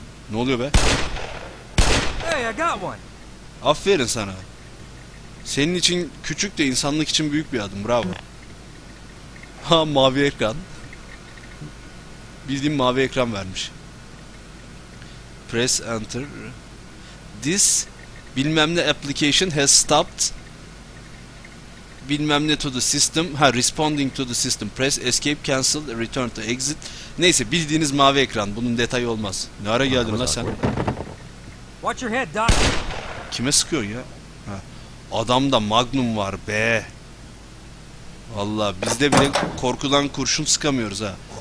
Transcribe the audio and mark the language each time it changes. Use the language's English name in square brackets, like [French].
[Turkish] Ne oluyor be? [English] Hey, I got one. [Turkish] Aferin sana. Senin için küçük de insanlık için büyük bir adım. Bravo. Ha, mavi ekran. Bildiğin mavi ekran vermiş. [English] Press enter. This [Turkish] bilmem ne [English] application has stopped. [Turkish] Bilmem ne [English] to the system. Ha, responding to the system. Press escape, cancel, return to exit. [Turkish] Neyse, bildiğiniz mavi ekran. Bunun detayı olmaz. Ne ara geldin lan sen? [English] Watch your head, doc. [Turkish] Kime sıkıyorsun ya? Ha. Adamda Magnum var be. Vallahi bizde bile korkudan kurşun sıkamıyoruz ha.